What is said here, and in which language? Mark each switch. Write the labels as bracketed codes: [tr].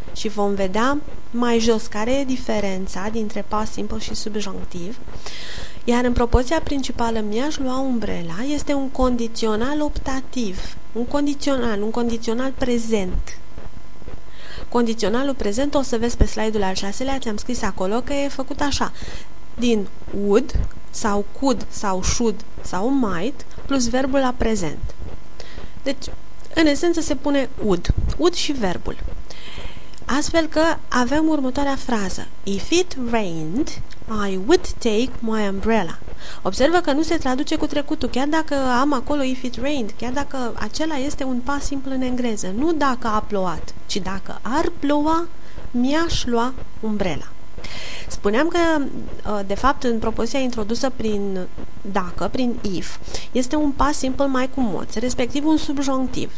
[ro] Și vom vedea mai jos care e diferența dintre past simple și subjonctiv. Iar în propoziția principală, mi-aș lua umbrela, este un condițional optativ. Un condițional prezent. Condiționalul prezent, o să vezi pe slide-ul al 6-lea, ți-am scris acolo că e făcut așa. Din would sau could sau should sau might plus verbul la prezent. Deci, în esență se pune would. Would și verbul. Astfel că avem următoarea frază. [en] If it rained, I would take my umbrella. [ro] Observă că nu se traduce cu trecutul, chiar dacă am acolo [en] if it rained, [ro] chiar dacă acela este un past simplu în engleză. Nu dacă a plouat, ci dacă ar ploua, mi-aș lua umbrela. Spuneam că, de fapt, în propoziția introdusă prin dacă, prin if, este un past simple mai cu moți, respectiv un subjonctiv.